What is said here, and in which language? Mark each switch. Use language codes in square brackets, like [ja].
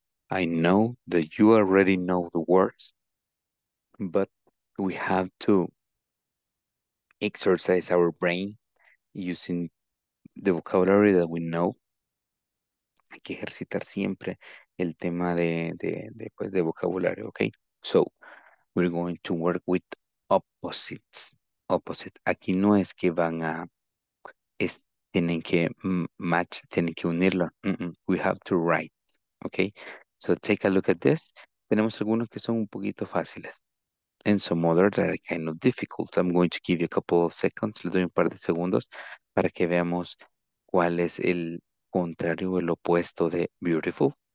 [en] I know that you already know the words, but we have to exercise our brain using the vocabulary that we know. [es] Hay que ejercitar siempre el tema de vocabulario, okay? [en] So, we're going to work with opposites. Opposite. [es] Aquí no es que van a, es, tienen que match, tienen que unirlo. [en] Mm-mm. We have to write, okay? So, take a look at this. [es] Tenemos algunos que son un poquito fáciles. [en] And some other that are kind of difficult. I'm going to give you a couple of seconds. [es] Le doy un par de segundos para que veamos cuál es el contrario o el opuesto de beautiful.